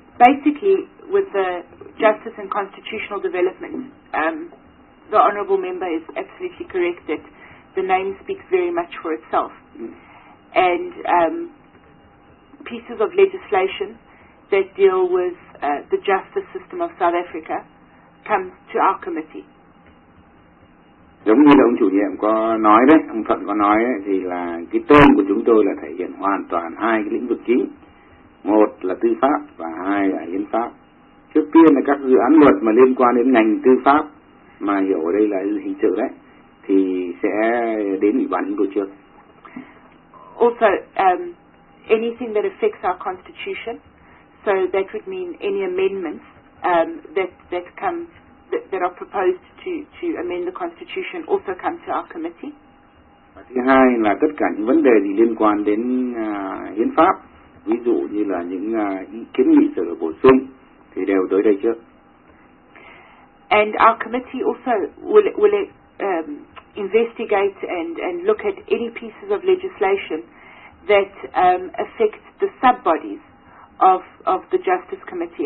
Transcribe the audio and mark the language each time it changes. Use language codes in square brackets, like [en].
[en] Basically, with the justice and constitutional development, the Honourable Member is absolutely correct that the name speaks very much for itself. Mm. And pieces of legislation that deal with the justice system of South Africa come to our committee. [vi] Giống như ông chủ nhiệm có nói đấy, ông Phận có nói đấy, thì là cái tên của chúng tôi là thể hiện hoàn toàn hai cái lĩnh vực chính. Một là tư pháp và hai là hiến pháp. Trước tiên là các dự án luật mà liên quan đến ngành tư pháp, mà hiểu ở đây là hình sự đấy, thì sẽ đến ủy ban chúng tôi trước. [en] Also, anything that affects our constitution, so that would mean any amendments that are proposed to amend the constitution also come to our committee. [vi] Và thứ hai là tất cả những vấn đề gì liên quan đến hiến pháp. Ví dụ như là những kiến nghị sửa đổi bổ sung thì đều tới đây trước. [en] And our committee also will investigate and look at any pieces of legislation that affect the sub-bodies of the Justice Committee.